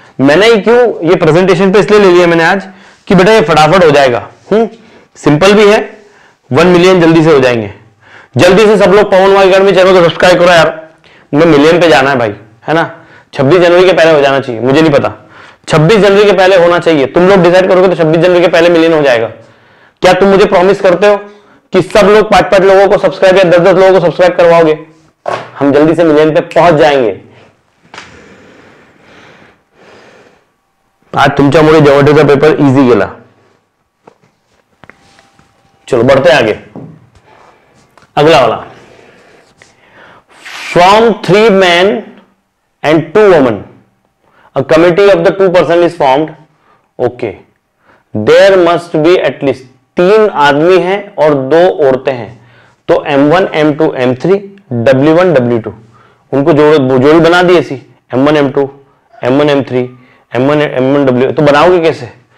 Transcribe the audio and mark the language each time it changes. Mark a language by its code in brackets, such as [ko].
[hi] मैंने ये क्यों, ये प्रेजेंटेशन पे इसलिए ले लिया मैंने आज, कि बेटा ये फटाफट हो जाएगा, सिंपल भी है, 1 मिलियन जल्दी से हो जाएंगे, जल्दी से सब लोग पवन वाइगर में चैनल को सब्सक्राइब करो यार, मैं मिलियन पे जाना है भाई, है ना, 26 जनवरी के पहले हो जाना चाहिए, मुझे नहीं पता, 26 जनवरी के पहले होना चाहिए, तुम लोग डिसाइड करोगे तो 26 जनवरी के पहले मिलियन हो जाएगा, क्या तुम मुझे प्रॉमिस करते हो कि सब लोग 5-5 लोगों को सब्सक्राइब या 10-10 लोगों को सब्सक्राइब करवाओगे, हम जल्दी से मिलियन पे पहुंच जाएंगे। [mr] आज तुमच्या मुळे जेवटेचा पेपर इजी गेला। [hi] चलो बढ़ते आगे, अगला वाला, [en] from 3 men and 2 women committee of the 2% is formed, okay there must be at least, [hi] तीन आदमी हैं और दो औरतें हैं, तो M1, M2, M3, W1, W2, उनको जोड़ी बना दी ऐसी, M1, M2, M1, M3, M1, M1, W, तो बनाओगे कैसे?